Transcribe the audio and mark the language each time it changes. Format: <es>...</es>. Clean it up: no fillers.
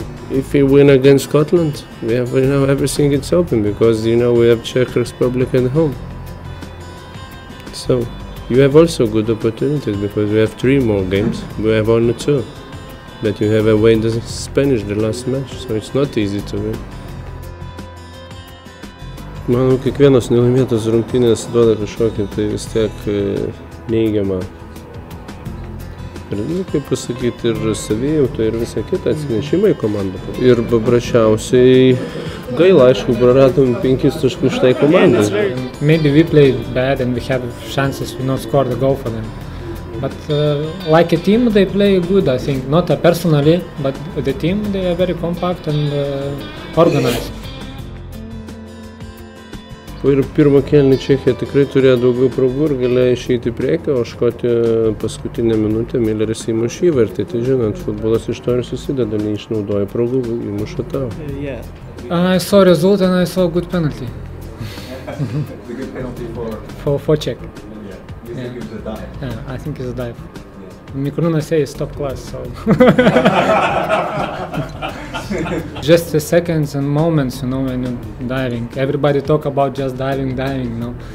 <en>If we win against Scotland, we have, you know, everything is open, because, you know, we have Czech Republic at home. So, you have also good opportunities, because we have three more games, we have only two. But you have away the Spanish, the last match, so it's not easy to win.</en> <lt>Manau, kiekvienos nelaimėtos rungtynės duoda kažkokį tai vis tiek neįgiamą. Ir, kaip pasakyti, ir savijautą, ir visą kitą atsinešimą į komandą. Ir paprasčiausiai gaila, aišku, praradom 5 taškų štai komandą.</lt> <en>Maybe we played bad and we had chances to not score the goal for them. But like a team, they play good, I think. Not personally, but the team, they are very compact and organized.</en> <lt>Ir pirmą kėlinį Čechija tikrai turėjo daugiau progų ir galėjo išeiti į priekį, o Škotija paskutinę minutę Milleris įmuš įvartį. Tai žinot, futbolas iš to ir susideda, neišnaudoja progų, įmuša tau.</lt> <en>I saw result and I saw good penalty. The good penalty for Czech. Yeah. I think it's a dive. Yeah. Mikoliūną say it's top class, so... Just the seconds and moments, you know, when you're diving. Everybody talk about just diving, you know.</en>